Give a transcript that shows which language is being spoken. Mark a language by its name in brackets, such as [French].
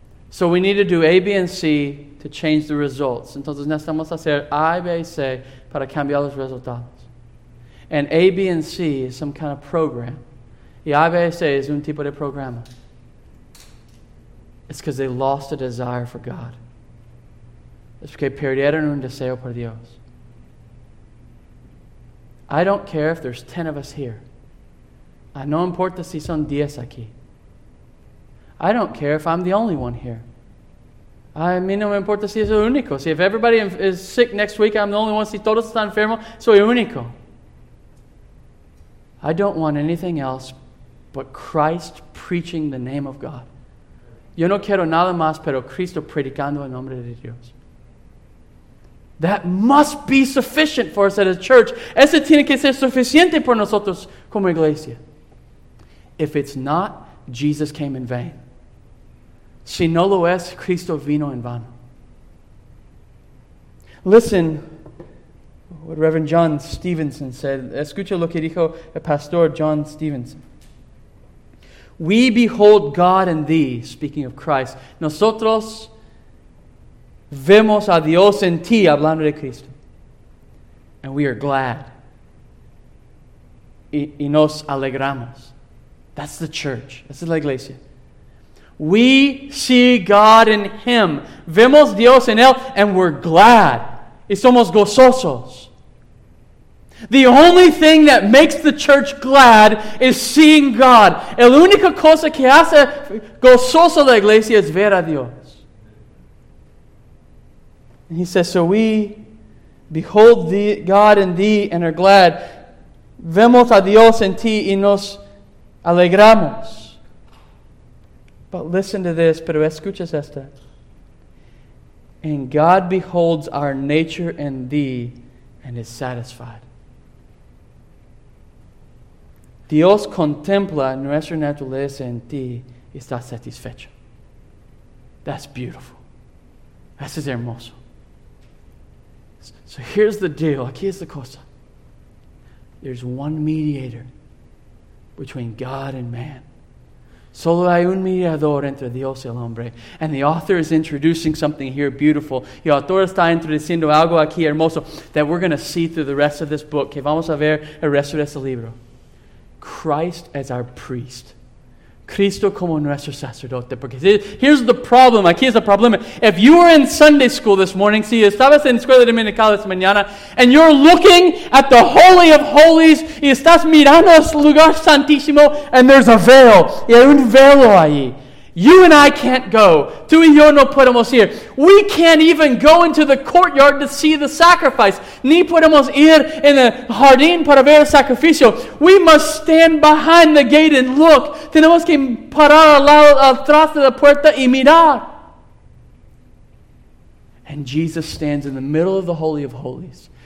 [English] So we need to do A, B, and C to change the results. [Spanish] Entonces necesitamos hacer A, B, y C para cambiar los resultados. [English] And A, B, and C is some kind of program. [Spanish] Y a veces es un tipo de programa. [English] It's because they lost a desire for God. [Spanish] Es porque perdieron un deseo por Dios. [English] I don't care if there's 10 of us here. I [Spanish] no importa si son 10 aquí. [English] I don't care if I'm the only one here. [Spanish] A mí no me importa si es el único. [English] Si if everybody is sick next week, I'm the only one. [Spanish] Si todos están enfermos, soy único. [English] I don't want anything else but Christ preaching the name of God. [Spanish] Yo no quiero nada más, pero Cristo predicando el nombre de Dios. [English] That must be sufficient for us as a church. [Spanish] Eso tiene que ser suficiente por nosotros como iglesia. [English] If it's not, Jesus came in vain. [Spanish] Si no lo es, Cristo vino en vano. [English] Listen what Reverend John Stevenson said. [Spanish] Escucha lo que dijo el pastor John Stevenson. [English] We behold God in thee, speaking of Christ. [Spanish] Nosotros vemos a Dios en ti, hablando de Cristo. [English] And we are glad. [Spanish] Y nos alegramos. [English] That's the church. That's [Spanish] la iglesia. [English] We see God in Him. [Spanish] Vemos Dios en Él, [English] and we're glad. [Spanish] Y somos gozosos. [English] The only thing that makes the church glad is seeing God. [Spanish] El única cosa que hace gozoso la iglesia es ver a Dios. [English] And he says, so we behold God in thee and are glad. [Spanish] Vemos a Dios en ti y nos alegramos. [English] But listen to this, [Spanish] pero escuchas esto. [English] And God beholds our nature in thee and is satisfied. [Spanish] Dios contempla nuestra naturaleza en ti y está satisfecho. [English] That's beautiful. [Spanish] Eso es hermoso. [English] So here's the deal. [Spanish] Aquí es la cosa. [English] There's one mediator between God and man. [Spanish] Solo hay un mediador entre Dios y el hombre. [English] And the author is introducing something here beautiful. [Spanish] Y el autor está introduciendo algo aquí hermoso [English] that we're going to see through the rest of this book. [Spanish] Que vamos a ver el resto de este libro. [English] Christ as our priest. [Spanish] Cristo como nuestro sacerdote. [English] Because here's the problem. [Spanish] Aquí es el problema. [English] If you were in Sunday school this morning, [Spanish] si estabas en escuela dominical esta mañana, [English] and you're looking at the Holy of Holies, [Spanish] y estás mirando el lugar santísimo, [English] and there's a veil, [Spanish] y hay un velo allí. [English] You and I can't go. [Spanish] Tú y yo no podemos ir. [English] We can't even go into the courtyard to see the sacrifice. [Spanish] Ni podemos ir en el jardín para ver el sacrificio. [English] We must stand behind the gate and look. [Spanish] Tenemos que parar al lado atrás de la puerta y mirar. [English] And Jesus stands in the middle of the Holy of Holies.